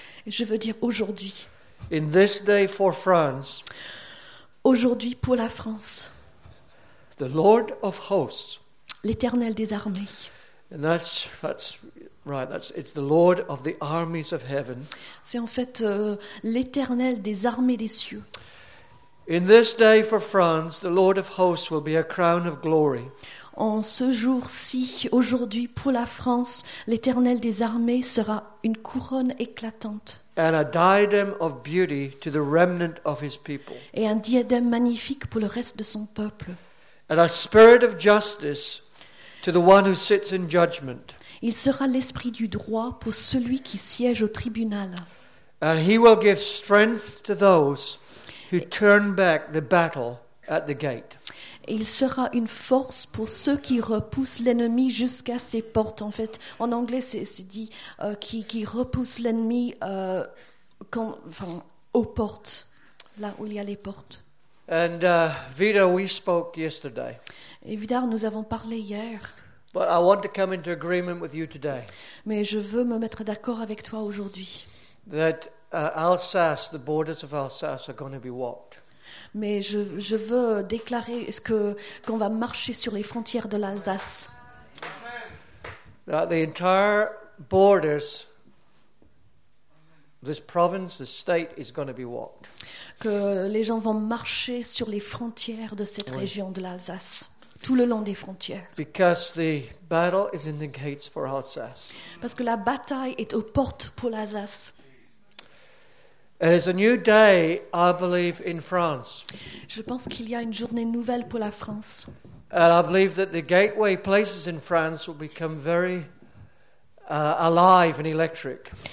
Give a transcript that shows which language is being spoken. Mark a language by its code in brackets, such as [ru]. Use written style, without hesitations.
[fr] Je veux dire aujourd'hui. [en] In this day for France. [fr] Aujourd'hui pour la France. [en] The Lord of hosts. [fr] L'Éternel des armées. [en] And that's right. It's the Lord of the armies of heaven. [fr] C'est en fait l'Éternel des armées des cieux. [en] In this day for France, the Lord of hosts will be a crown of glory. [fr] En ce jour-ci, aujourd'hui, pour la France, l'Éternel des armées sera une couronne éclatante. [en] And a diadem of beauty to the remnant of his people. [fr] Et un diadème magnifique pour le reste de son peuple. [en] And a spirit of justice to the one who sits in judgment. [fr] Il sera l'esprit du droit pour celui qui siège au tribunal. [en] And he will give strength to those who turn back the battle at the gate. [fr] Et il sera une force pour ceux qui repoussent l'ennemi jusqu'à ses portes. En fait, en anglais, c'est dit qui repousse l'ennemi aux portes, là où il y a les portes. [en] And Vidar, we spoke yesterday. [fr] Et Vidar, nous avons parlé hier. [en] But I want to come into agreement with you today. [fr] Mais je veux me mettre d'accord avec toi aujourd'hui. [en] That Alsace, the borders of Alsace, are going to be walked. [fr] Mais je veux déclarer qu'on va marcher sur les frontières de l'Alsace. [en] That the entire borders, this province, this state, is going to be walked. [fr] Que les gens vont marcher sur les frontières de cette région de l'Alsace, tout le long des frontières. [en] Because the battle is in the gates for Alsace. [fr] Parce que la bataille est aux portes pour l'Alsace. [en] It is a new day, I believe, in France. [fr] Je pense qu'il y a une journée nouvelle pour la France. [en] And I believe that the gateway places in France will become very alive and electric.